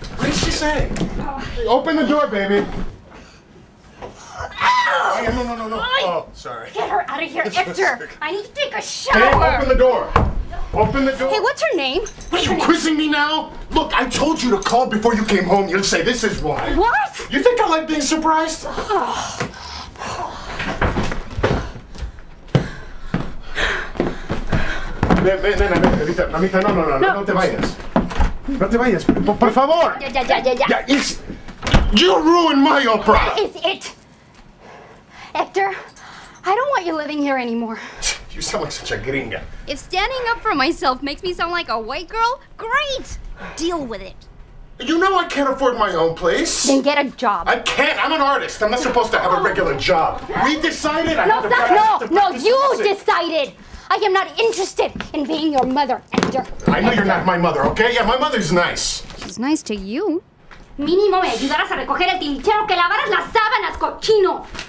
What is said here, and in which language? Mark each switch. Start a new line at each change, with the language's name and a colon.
English: What did she say? Open the door, baby. No. Oh, sorry. Get her out of here, Hector. I need to take a shower. Hey, open the door. Open the door. Hey, what's her name? Are you quizzing me now? Look, I told you to call before you came home. You'll say this is why. What? You think I like being surprised?
Spanish: Ven, mamita, no, no, no, no, no te vayas. No te vayas, por favor. Ya.
English: You ruined my opera. That is it. Hector, I don't want you living here anymore. You sound like such a gringa. If standing up for myself makes me sound like a white girl, great. Deal with it. You know I can't afford my own place. Then get a job. I can't. I'm an artist. I'm not supposed to have a regular job. We decided no, I had to practice. No, no, no, you decided. I am not interested in being your mother, Hector. I know you're not my mother, okay? Yeah, my mother's nice. She's nice to you.
Spanish: Mínimo me ayudarás a recoger el tinchero que lavaras las sábanas, cochino.